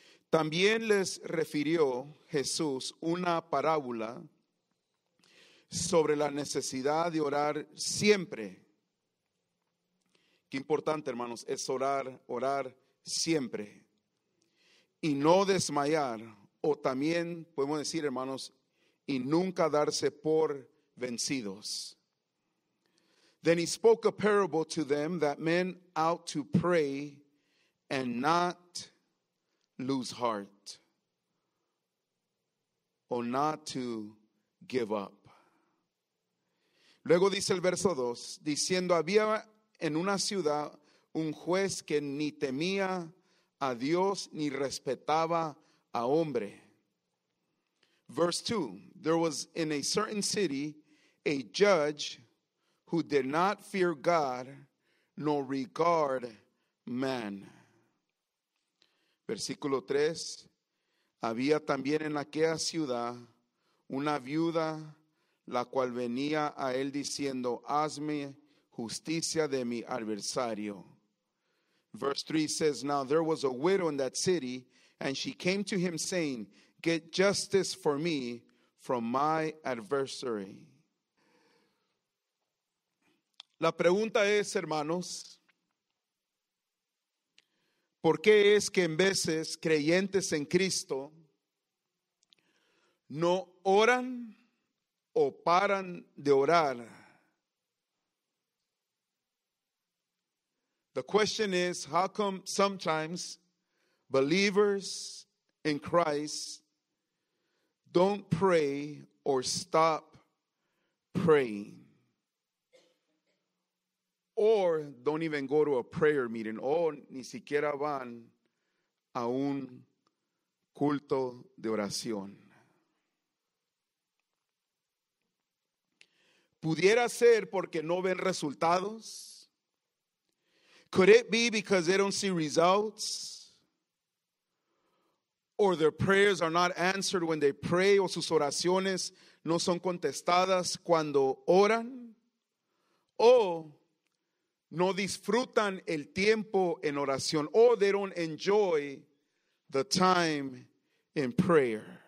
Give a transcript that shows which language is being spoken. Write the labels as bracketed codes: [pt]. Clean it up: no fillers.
[es] También les refirió Jesús una parábola sobre la necesidad de orar siempre. Qué importante, hermanos, es orar, orar siempre. Y no desmayar, o también podemos decir, hermanos, y nunca darse por vencidos. [en] Then he spoke a parable to them that men ought to pray and not lose heart, or not to give up. [es] Luego dice el verso 2, diciendo, había en una ciudad un juez que ni temía a Dios ni respetaba a hombre. [en] Verse 2, there was in a certain city a judge who did not fear God nor regard man. [es] Versículo 3, había también en aquella ciudad una viuda la cual venía a él diciendo, hazme justicia de mi adversario. [en] Verse 3 says, now there was a widow in that city, and she came to him saying, get justice for me from my adversary. [es] La pregunta es, hermanos, ¿por qué es que en veces creyentes en Cristo no oran o paran de orar? [en] The question is, how come sometimes believers in Christ don't pray or stop praying? Or don't even go to a prayer meeting. [es] O ni siquiera van a un culto de oración. Pudiera ser porque no ven resultados. [en] Could it be because they don't see results, or their prayers are not answered when they pray, [es] o sus oraciones no son contestadas cuando oran, o no disfrutan el tiempo en oración, [en] or they don't enjoy the time in prayer?